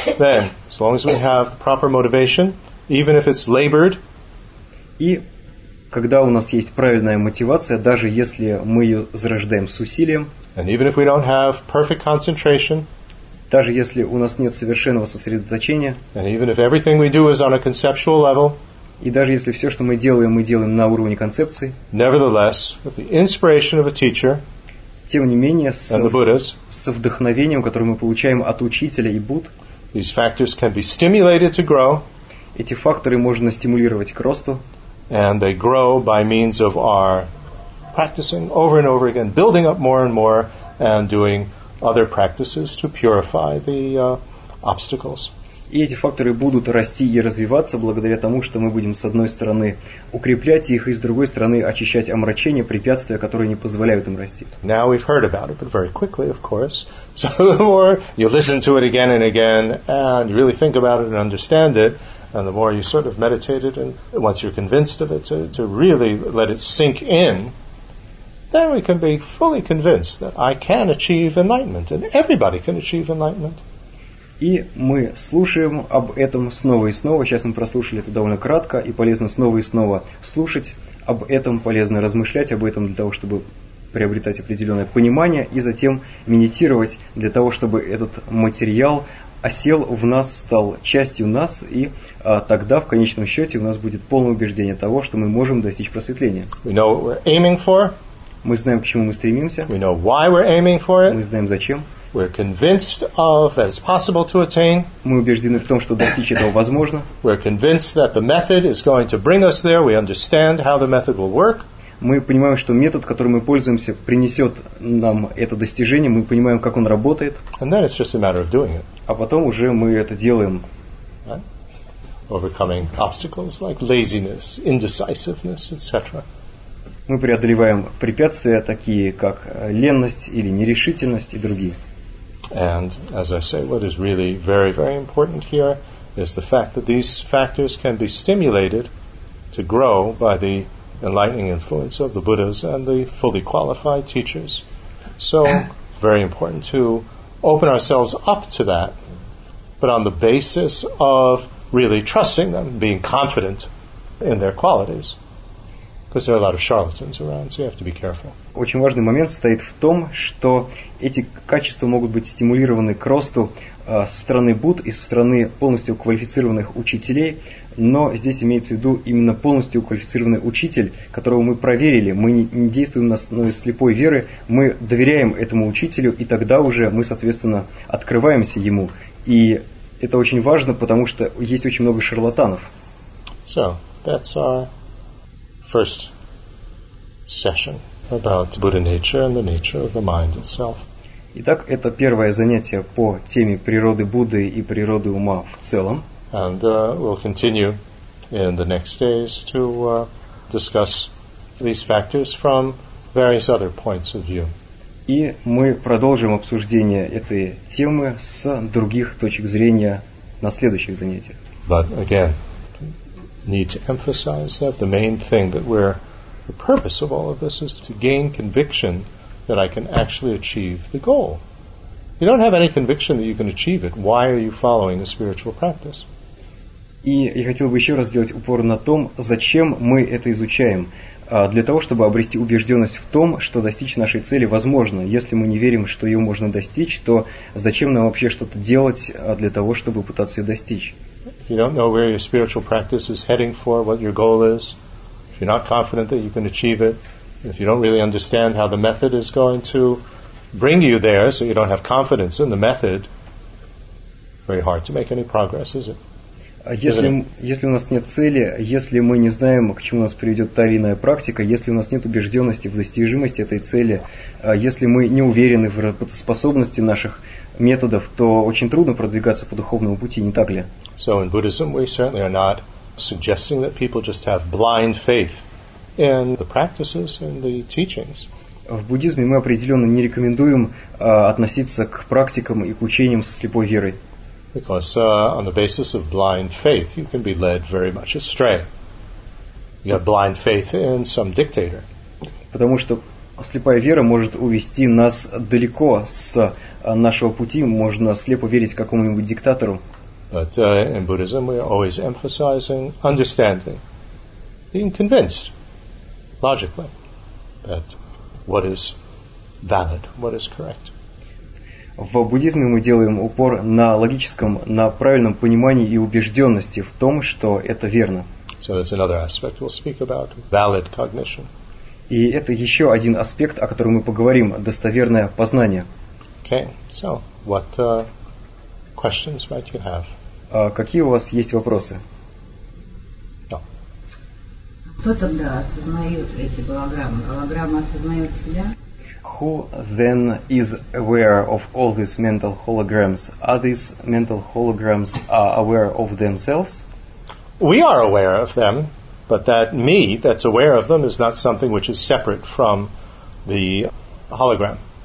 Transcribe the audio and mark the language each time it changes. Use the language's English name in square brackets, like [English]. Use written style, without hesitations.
[English] Then, as long as we have the proper motivation, even if it's labored. [Russian] И когда у нас есть правильная мотивация, даже если мы ее зарождаем с усилием. [English] And even if we don't have perfect concentration. [Russian] Даже если у нас нет совершенного сосредоточения, [English] and even if everything we do is on a conceptual level, [Russian] И даже если все, что мы делаем на уровне концепции, [English] nevertheless, with the inspiration of a teacher, [Russian] тем не менее, [English] and the Buddhas, [Russian] со вдохновением, которое мы получаем от учителя и Будд, [English] these factors can be stimulated to grow, [Russian] эти факторы можно стимулировать к росту, [English] and they grow by means of our practicing over and over again, building up more and more, and doing other practices to purify the obstacles. [Russian] И эти факторы будут расти и развиваться благодаря тому, что мы будем с одной стороны укреплять их, и с другой стороны очищать омрачение, препятствия, которые не позволяют им расти. [English] Now we've heard about it, but very quickly, of course. So the more you listen to it again and again, and you really think about it and understand it, and the more you sort of meditate it, and once you're convinced of it, to really let it sink in, then we can be fully convinced that I can achieve enlightenment, and everybody can achieve enlightenment. [Russian] И мы слушаем об этом снова и снова. Сейчас мы прослушали это довольно кратко, и полезно снова и снова слушать об этом, полезно размышлять об этом для того, чтобы приобретать определенное понимание, и затем медитировать для того, чтобы этот материал осел в нас, стал частью нас, и тогда в конечном счете у нас будет полное убеждение того, что мы можем достичь просветления. [English] We know what we're aiming for. [Russian] Мы знаем, к чему мы стремимся. [English] We know why we're aiming for it. [Russian] Мы знаем, зачем. [English] We're convinced of that it's possible to attain. [Russian] Мы убеждены в том, что достичь этого возможно. [English] We're convinced that the method is going to bring us there. We understand how the method will work. [Russian] Мы понимаем, что метод, которым мы пользуемся, принесет нам это достижение. Мы понимаем, как он работает. [English] And then it's just a matter of doing it. [Russian] А потом уже мы это делаем. [English] Right? Overcoming obstacles like laziness, indecisiveness, etc. [Russian] Мы преодолеваем препятствия, такие как ленность или нерешительность и другие. [English] And as I say, what is really very, very important here is the fact that these factors can be stimulated to grow by the enlightening influence of the Buddhas and the fully qualified teachers. So, very important to open ourselves up to that, but on the basis of really trusting them, being confident in their qualities. Because there are a lot of charlatans around, so you have to be careful. [Russian] Очень важный момент состоит в том, что эти качества могут быть стимулированы к росту со стороны Будд и со стороны полностью квалифицированных учителей, но здесь имеется в виду именно полностью квалифицированный учитель, которого мы проверили. Мы не действуем на основе слепой веры, мы доверяем этому учителю, и тогда уже мы, соответственно, открываемся ему. И это очень важно, потому что есть очень много шарлатанов. [English] So, that's our first session about Buddha nature and the nature of the mind itself. [Russian] Итак, это первое занятие по теме природы Будды и природы ума в целом. [English] And we'll continue in the next days to discuss these factors from various other points of view. [Russian] И мы продолжим обсуждение этой темы с других точек зрения на следующих занятиях. [English] But again, need to emphasize that the main thing that we're the purpose of all of this is to gain conviction that I can actually achieve the goal. You don't have any conviction that you can achieve it. Why are you following a spiritual practice? [Russian] И я хотел бы еще раз сделать упор на том, зачем мы это изучаем. Для того, чтобы обрести убежденность в том, что достичь нашей цели возможно. Если мы не верим, что ее можно достичь, то зачем нам вообще что-то делать для того, чтобы пытаться ее достичь? [English] If you don't know where your spiritual practice is heading for, what your goal is, if you're not confident that you can achieve it, if you don't really understand how the method is going to bring you there, so you don't have confidence in the method, very hard to make any progress, is it? [Russian] Если у нас нет цели, если мы не знаем, к чему нас приведет та или иная практика, если у нас нет убежденности в достижимости этой цели, если мы не уверены в способности наших методов, то очень трудно продвигаться по духовному пути, не так ли? [English] So in Buddhism we certainly are not suggesting that people just have blind faith in the practices and the teachings. [Russian] В буддизме мы определенно не рекомендуем относиться к практикам и к учениям со слепой верой. [English] Because on the basis of blind faith you can be led very much astray. You have blind faith in some dictator. [Russian] Потому что слепая вера может увести нас далеко с нашего пути, можно слепо верить какому-нибудь диктатору. [English] But in Buddhism we are always emphasizing understanding, being convinced logically that what is valid, what is correct. [Russian] В буддизме мы делаем упор на логическом, на правильном понимании и убежденности в том, что это верно. [English] So that's another aspect we'll speak about, valid cognition. [Russian] И это еще один аспект, о котором мы поговорим, достоверное познание. [English] Okay, so what questions might you have? [Russian] Какие у вас есть вопросы? [English] No. [Russian] Кто тогда осознает эти голограммы? Голограмма осознает себя? [English] Who then is aware of all these mental holograms? Are these mental holograms aware of themselves? We are aware of them, but that me that's aware of them is not something which is separate from the hologram.